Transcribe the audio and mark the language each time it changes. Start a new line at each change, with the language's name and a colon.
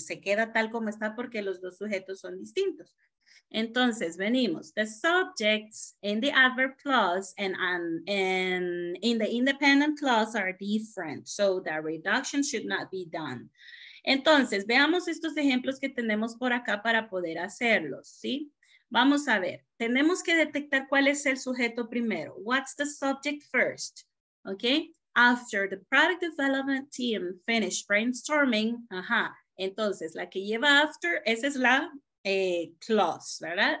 Spanish: Se queda tal como está porque los dos sujetos son distintos. Entonces, venimos,
English: the subjects in the adverb clause and in the independent clause are different, so the reduction should not be done.
Spanish: Entonces, veamos estos ejemplos que tenemos por acá para poder hacerlos, ¿sí? Vamos a ver, tenemos que detectar cuál es el sujeto primero.
English: What's the subject first? Okay, after the product development team finished brainstorming,
Spanish: ajá, entonces la que lleva after, esa es la clause, ¿verdad?